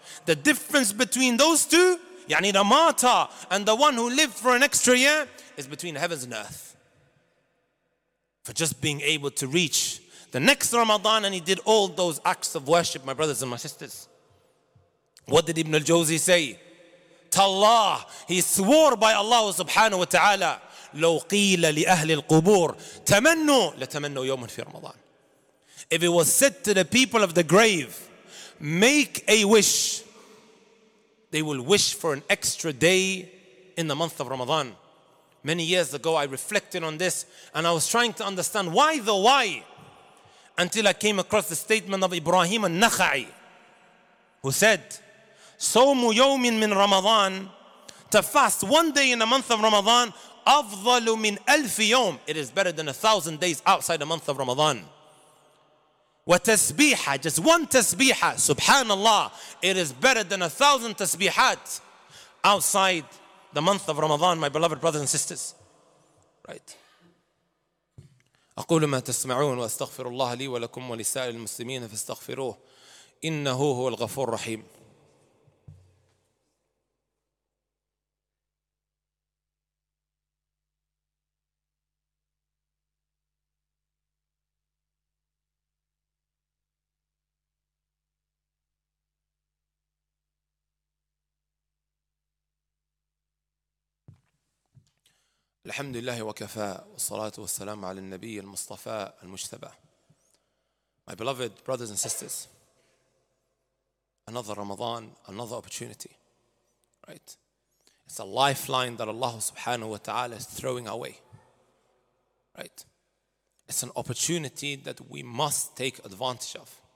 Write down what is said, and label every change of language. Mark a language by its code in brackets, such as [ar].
[en] The difference between those two, yani the martyr and the one who lived for an extra year, is between heavens and earth. For just being able to reach the next Ramadan, and he did all those acts of worship, my brothers and my sisters. What did Ibn al-Jawzi say? Tallah, he swore by Allah subhanahu wa ta'ala, [ar] لو قيل لأهل القبور تمنوا لتمنوا يوما في رمضان. [en] If it was said to the people of the grave, make a wish, they will wish for an extra day in the month of Ramadan. Many years ago, I reflected on this, and I was trying to understand why. Until I came across the statement of Ibrahim al-Nakhai, who said, [ar] "Sawmu yawmin min Ramadan," [en] to fast one day in the month of Ramadan, [ar] "afdalu min alf yawm," [en] it is better than 1,000 days outside the month of Ramadan. [ar] "Wa tasbiha," [en] just one tasbiha, subhanallah, it is better than 1,000 tasbihat outside the month of Ramadan, my beloved brothers and sisters. Right? [ar] أقول ما تسمعون وأستغفر الله لي ولكم ولسائر المسلمين فاستغفروه إنه هو الغفور الرحيم. الحمد لله وكفى والصلاة والسلام على النبي المصطفى المجتبى. [en] My beloved brothers and sisters, another Ramadan, another opportunity, right? It's a lifeline that Allah subhanahu wa ta'ala is throwing away, right? It's an opportunity that we must take advantage of.